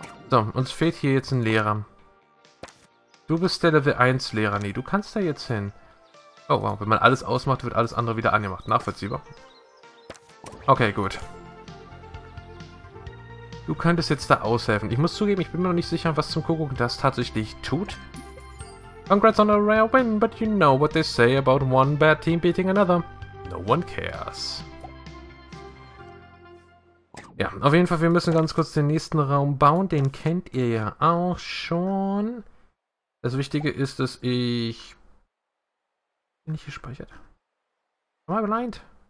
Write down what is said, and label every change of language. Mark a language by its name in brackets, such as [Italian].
[German] So, uns fehlt hier jetzt ein Lehrer. Du bist der Level 1 Lehrer. Nee, du kannst da jetzt hin. Oh, wow. Wenn man alles ausmacht, wird alles andere wieder angemacht. Nachvollziehbar. Okay, gut. Du könntest jetzt da aushelfen. Ich muss zugeben, ich bin mir noch nicht sicher, was zum Kuckuck das tatsächlich tut. [English] Congrats on a rare win, but you know what they say about one bad team beating another. No one cares. [German] Ja, auf jeden Fall, wir müssen ganz kurz den nächsten Raum bauen. Den kennt ihr ja auch schon. Das Wichtige ist, dass ich... Bin ich gespeichert? [English] Am I blind?